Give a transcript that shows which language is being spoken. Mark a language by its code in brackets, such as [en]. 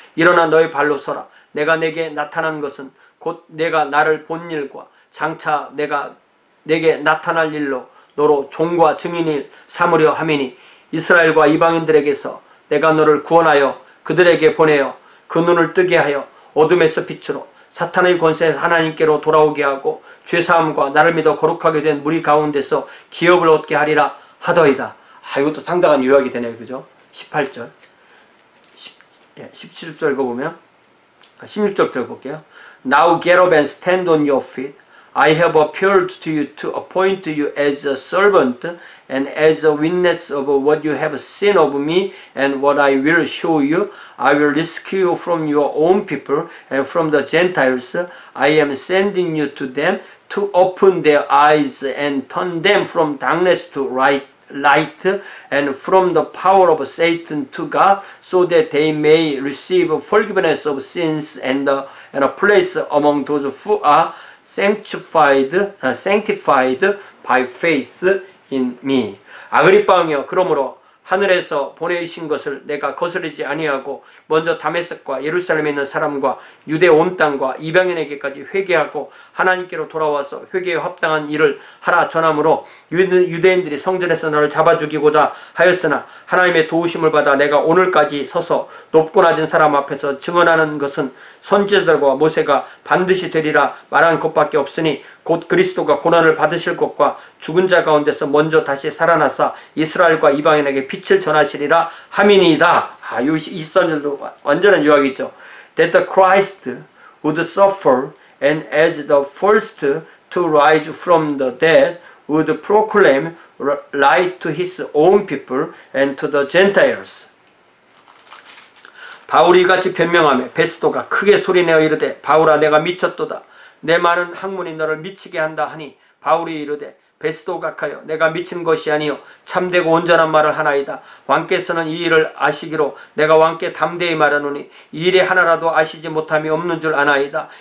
[ko] 일어나 너의 발로 서라. 내가 내게 나타난 것은 곧 내가 나를 본 일과 장차 내가 내게 나타날 일로 너로 종과 증인을 삼으려 함이니 이스라엘과 이방인들에게서 내가 너를 구원하여 그들에게 보내어 그 눈을 뜨게 하여 어둠에서 빛으로 사탄의 권세에 하나님께로 돌아오게 하고 죄사함과 나를 믿어 거룩하게 된 무리 가운데서 기업을 얻게 하리라 하더이다. 아, 이것도 상당한 요약이 되네요. 그죠? 18절. 17절 읽어보면 16절부터 읽어볼게요. [en] Now get up and stand on your feet. I have appealed to you to appoint you as a servant and as a witness of what you have seen of me and what I will show you. I will rescue you from your own people and from the Gentiles. I am sending you to them to open their eyes and turn them from darkness to light and from the power of Satan to God so that they may receive forgiveness of sins and a place among those who are sanctified by faith in me. [ko] 아그립바 왕이여, 그러므로 하늘에서 보내신 것을 내가 거스르지 아니하고 먼저 다메섹과 예루살렘에 있는 사람과 유대 온 땅과 이방인에게까지 회개하고 하나님께로 돌아와서 회개에 합당한 일을 하라 전함으로 유대인들이 성전에서 나를 잡아 죽이고자 하였으나 하나님의 도우심을 받아 내가 오늘까지 서서 높고 낮은 사람 앞에서 증언하는 것은 선지자들과 모세가 반드시 되리라 말한 것밖에 없으니 곧 그리스도가 고난을 받으실 것과 죽은 자 가운데서 먼저 다시 살아나사 이스라엘과 이방인에게 빛을 전하시리라 하민이다. 아, 23절도 완전한 요약이죠. [en] That the Christ would suffer and as the first to rise from the dead would proclaim light to his own people and to the Gentiles. [ko] 바울이 이같이 변명하며 베스도가 크게 소리내어 이르되 바울아 내가 미쳤도다. 내 많은 학문이 너를 미치게 한다 하니 바울이 이르되 베스도각하여 내가 미친 것이 아니요 참되고 온전한 말을 하나이다. 왕께서는 이 일을 아시기로 내가 왕께 담대히 말하노니 이 일에 하나라도 아시지 못함이 없는 줄 아나이다.